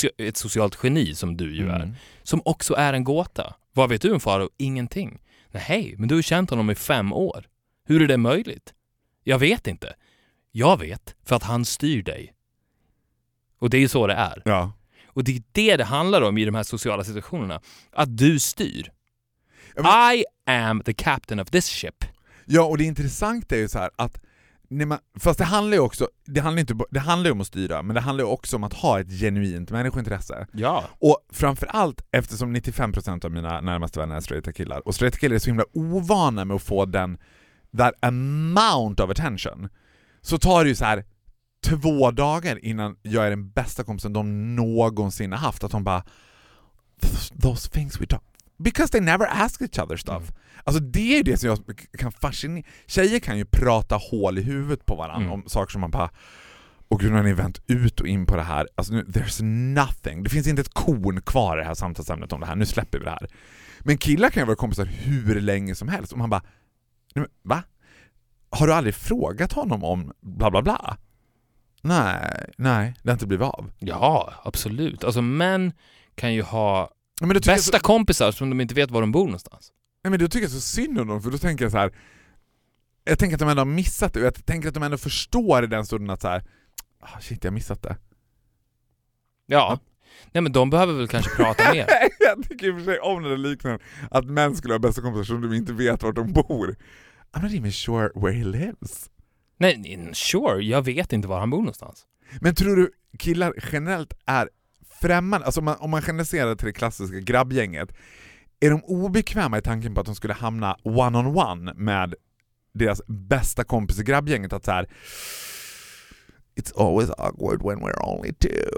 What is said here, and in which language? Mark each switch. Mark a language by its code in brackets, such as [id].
[sv] Ett socialt geni som du ju är. Som också är en gåta. Vad vet du om faro? Ingenting. Nej, hej, men du har känt honom i 5 år. Hur är det möjligt? Jag vet inte. Jag vet, för att han styr dig. Och det är ju så det är. Ja. Och det är det handlar om i de här sociala situationerna. Att du styr. [en] I am the captain of this ship. [sv] Ja, och det intressanta är ju så här att fast det handlar ju också, det handlar ju om att styra, men det handlar ju också om att ha ett genuint människointresse. Ja. Och framförallt eftersom 95% av mina närmaste vänner är straighta killar. Och straighta killar är så himla ovana med att få den där amount of attention. Så tar det ju så här 2 dagar innan jag är den bästa kompisen de någonsin har haft. Att de bara, those things we talk. [en] Because they never ask each other stuff. [sv] Alltså det är ju det som jag kan fascinera. Tjejer kan ju prata hål i huvudet på varandra om saker som man bara, och gud, har ni vänt ut och in på det här? Alltså nu, there's nothing. Det finns inte ett korn kvar i det här samtalsämnet om det här. Nu släpper vi det här. Men killar kan ju vara kompisar hur länge som helst. Och man bara, nej, men, va? Har du aldrig frågat honom om bla bla bla? Nej, det har inte blivit av. Ja, absolut. Alltså män kan ju ha bästa kompisar som de inte vet var de bor någonstans. Nej, men då tycker jag så synd om dem, för då tänker jag så här. Jag tänker att de ändå har missat det. Jag tänker att de ändå förstår i den stunden att så här, oh shit, jag har missat det. Ja. Nej, men de behöver väl kanske prata mer. Jag tycker i och för sig om det liknande. Att män skulle ha bästa kompisar som de inte vet var de bor. [en] I'm not even sure where he lives. [sv] Nej, sure. Jag vet inte var han bor någonstans. Men tror du killar generellt är främmande, alltså om man generaliserar till det klassiska grabbgänget, är de obekväma i tanken på att de skulle hamna one on one med deras bästa kompis i grabbgänget, att så här, it's always awkward when we're only two.